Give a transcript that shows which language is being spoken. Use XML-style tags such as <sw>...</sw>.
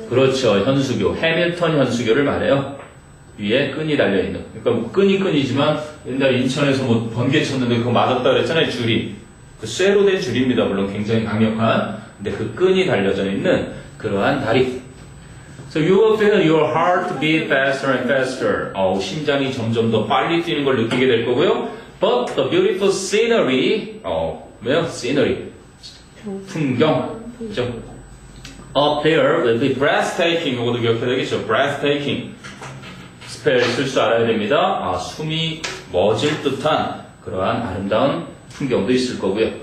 <ko>그렇죠. 현수교. 해밀턴 현수교를 말해요. 위에 끈이 달려있는. 그러니까 끈이 끈이지만 옛날 인천에서 뭐 번개 쳤는데 그거 맞았다 그랬잖아요. 줄이. 그 쇠로 된 줄입니다. 물론 굉장히 강력한. 근데 그 끈이 달려져 있는 그러한 다리.</ko> <en>So you will feel your heart beat faster and faster.</en> <ko>심장이 점점 더 빨리 뛰는 걸 느끼게 될 거고요.</ko> <en>But the beautiful scenery.</en> <ko>뭐요?</ko> <en>Scenery.</en> <ko>풍경. 그죠?</ko> <en>Up there will be breathtaking.</en> <ko>이것도 기억해야 되겠죠?</ko> <en>Breathtaking.</en> <ko>스펠 쓸 줄 알아야 됩니다. 숨이 멎을 듯한 그러한 아름다운 풍경도 있을 거고요.</ko>